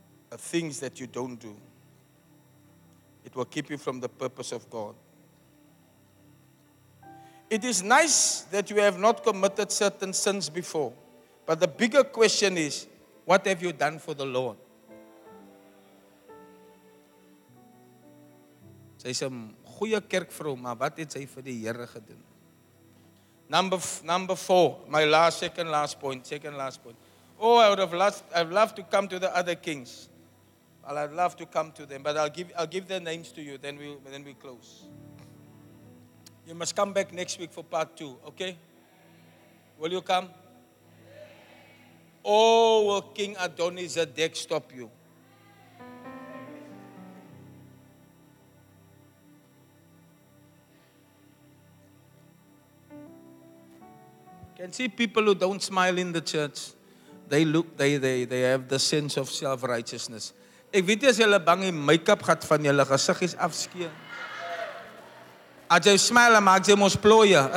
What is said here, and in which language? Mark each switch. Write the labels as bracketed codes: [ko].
[en] The things that you don't do, it will keep you from the purpose of God. It is nice that you have not committed certain sins before. But the bigger question is, what have you done for the Lord? [af] Sy is 'n goeie kerkvrou, maar wat het sy vir die Here gedoen? [en] Number four, my second last point. Oh, I'd love to come to the other kings. Well, I'd love to come to them, but I'll give their names to you, then we close. You must come back next week for part two, okay? Will you come? Oh, will King Adonizedek stop you? Can see people who don't smile in the church. They look, they have the sense of self-righteousness. [af] Ek weet as hulle bang die make-up gat van hulle gesiggies afskeer. As jy smile, maak jy mos plooie.